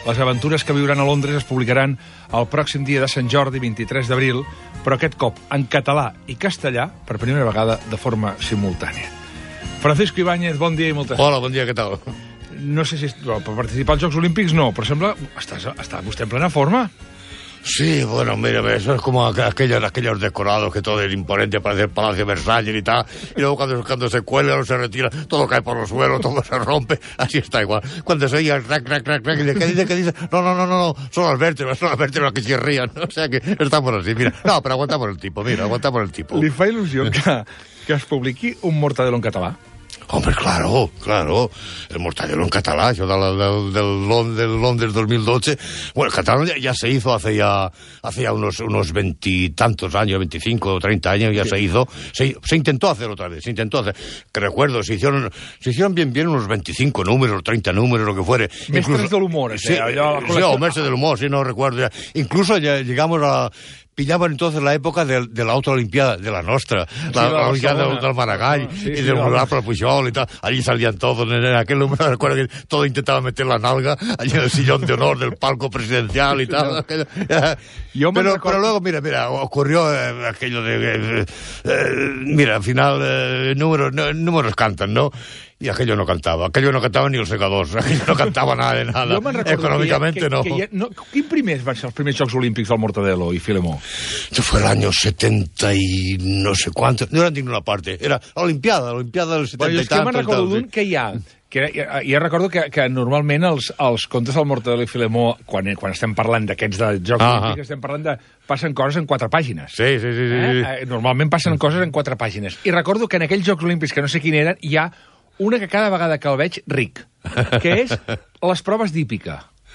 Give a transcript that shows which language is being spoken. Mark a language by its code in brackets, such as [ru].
[ca] Les aventures que viuran a Londres es publicaran el pròxim dia de Sant Jordi, 23 d'abril, però aquest cop en català i castellà, per primera vegada de forma simultània. Francisco Ibáñez, bon dia i moltes gràcies. Hola, bon dia, què tal? No sé si... per participar als Jocs Olímpics, no, però sembla... està vostè en plena forma? [es] Sí, bueno, mira, eso es como aquellos decorados que todo es imponente, parece el Palacio Versalles y tal, y luego cuando se cuelga o se retira, todo cae por el suelo, todo se rompe, así está igual. Cuando se oye el crac, crac, crac, crac, ¿qué dice? No, son las vértebras las que chirrían, o sea que estamos así, mira. No, pero aguantamos el tipo. [ca] ¿Li fa ilusión que es publiqui un Mortadelo en català? [es] Hombre, claro, [ca] el Mortadelo en català, això del Londres 2012. [es] Bueno, el català ya se hizo hace ya unos veintitantos años, 25 o 30 años, ya sí. Se intentó hacer otra vez. Que recuerdo, se hicieron bien unos 25 números, 30 números, lo que fuere. Mestres del humor, sí, allá, sí, o Mestres del humor, sí, no recuerdo ya. Incluso ya llegamos a... pillaban entonces la época de la otra Olimpiada, [ca] de la nostra, [es] sí, la Olimpiada del Maragall, sí, del Honorable Pujol y tal. Allí salían todos, en aquel número, recuerdo que todo intentaba meter la nalga allí en el sillón de honor del palco presidencial y tal. Sí, pero luego, mira, ocurrió aquello de... mira, al final, números cantan, ¿no? Y aquello no cantaba ni el secador, aquello no cantaba nada. Económicamente no. ¿Quién primer va a ser los primeros Jocs Olímpicos al Mortadelo y Filemó? Esto fue el año 70 y no sé cuánto, no era en ninguna parte, era la Olimpiada del 70 y tantos. Bueno, es que me recuerdo un que ya... [ca] Que recordo que normalment els contes del Mortadelo i Filemó, quan estem parlant d'aquests de Jocs Olímpics, estem parlant de... passen coses en 4 pàgines. Sí. Normalment passen coses en 4 pàgines. I recordo que en aquells Jocs Olímpics, que no sé quin eren, hi ha una que cada vegada que el veig, ric, que és les proves d'hípica.